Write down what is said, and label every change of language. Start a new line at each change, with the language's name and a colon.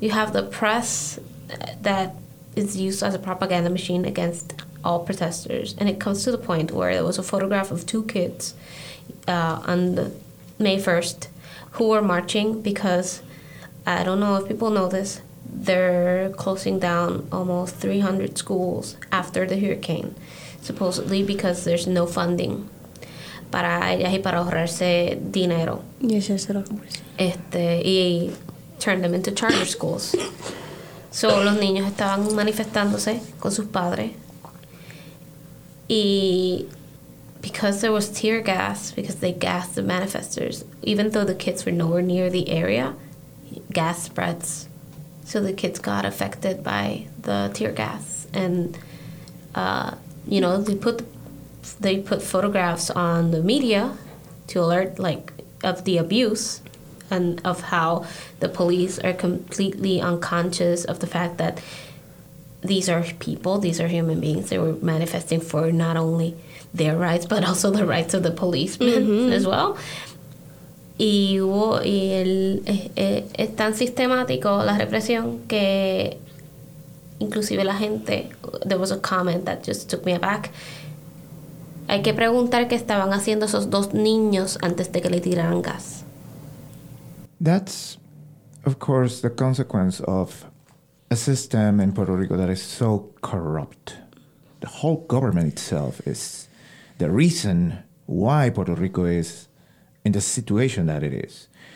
English: You have the press that is used as a propaganda machine against all protesters, and it comes to the point where there was a photograph of two kids on the May 1st who were marching because, I don't know if people know this, they're closing down almost 300 schools after the hurricane, supposedly because there's no funding
Spanish: para ellas y para ahorrarse dinero.
English: Yes, yes, it is. Y turned them into charter schools.
Spanish: So los niños estaban manifestándose con sus padres.
English: Y because there was tear gas, because they gassed the manifestors, even though the kids were nowhere near the area, gas spreads. So the kids got affected by the tear gas. And, you know, they put photographs on the media to alert, of the abuse and of how the police are completely unconscious of the fact that these are people, these are human beings. They were manifesting for not only their rights, but also the rights of the policemen as well.
Spanish: Y es tan sistemático la represión que inclusive la gente,
English: there was a comment that just took me aback.
Spanish: Hay que preguntar qué estaban haciendo esos dos niños antes de que le tiraran gas.
English: That's, of course, the consequence of a system in Puerto Rico that is so corrupt. The whole government itself is the reason why Puerto Rico is in the situation that it is.